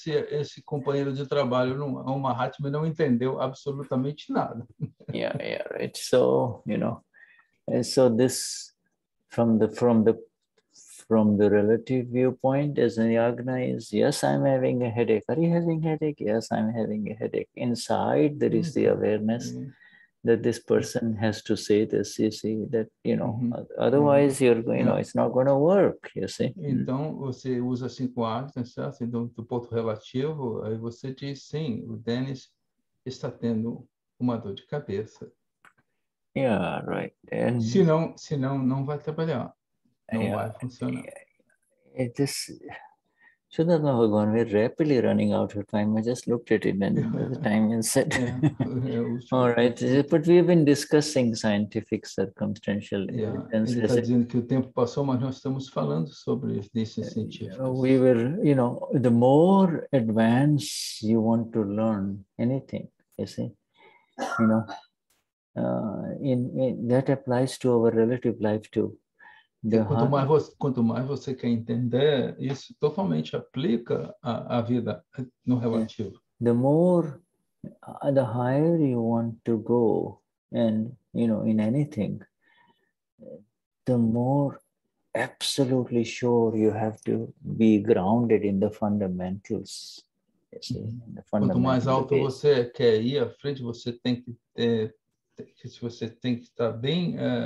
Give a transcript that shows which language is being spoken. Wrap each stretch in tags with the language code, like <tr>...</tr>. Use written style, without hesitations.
<pt>Esse companheiro de trabalho, o Mahatma, não entendeu absolutamente nada.</pt> <en>Yeah, right. So, you know, so this, from the relative viewpoint, as an Yagna is, yes, I'm having a headache. Are you having a headache? Yes, I'm having a headache. Inside, there is the awareness that this person has to say this, you see, that, you know, mm-hmm. otherwise mm-hmm. you're going, you know, it's not going to work, you see.</en> <pt>Então, você usa cinco actos, certo? Então, do ponto relativo, aí você diz, sim, o Dennis está tendo uma dor de cabeça.</pt> <en>Yeah, right. And</en> <pt>senão, não vai trabalhar. Não vai funcionar.</pt> <en>Shuddha Mahabha Bhagavan, we're rapidly running out of time. I just looked at it and the time and said. All right. But we've been discussing scientific circumstantial evidence.</en> <pt>Ele está dizendo que o tempo passou, mas nós estamos falando sobre evidências científicas.</pt> <en>We were, you know, the more advanced you want to learn anything, you see, you know, in that applies to our relative life too.</en> <pt>Quanto mais você quer entender, isso totalmente aplica à vida no relativo.</pt> <en>The more, the higher you want to go, and you know, in anything, the more absolutely sure you have to be grounded in the fundamentals.</en> <pt>Quanto mais alto você quer ir à frente, você tem que ter, se você tem que estar bem.</pt>